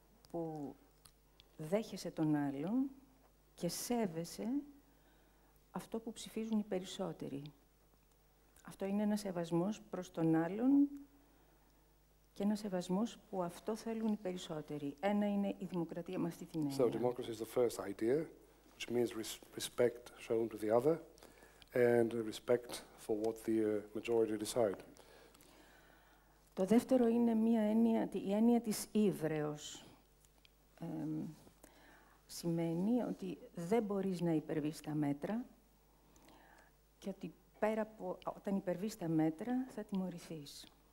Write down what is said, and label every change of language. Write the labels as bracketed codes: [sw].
[el] Που δέχεσαι τον άλλον και σέβεσαι αυτό που ψηφίζουν οι περισσότεροι. Αυτό είναι ένα σεβασμός προς τον άλλον και ένα σεβασμός που αυτό θέλουν οι περισσότεροι. Ένα είναι η δημοκρατία με αυτή την έννοια. [en] So democracy is the first idea, which means respect shown to the other and respect for what the majority decide. [el] Το δεύτερο είναι μια έννοια, η έννοια της ύβρεως. Σημαίνει ότι δεν μπορείς να υπερβείς τα μέτρα και ότι πέρα από όταν υπερβείς τα μέτρα θα τιμωρηθείς.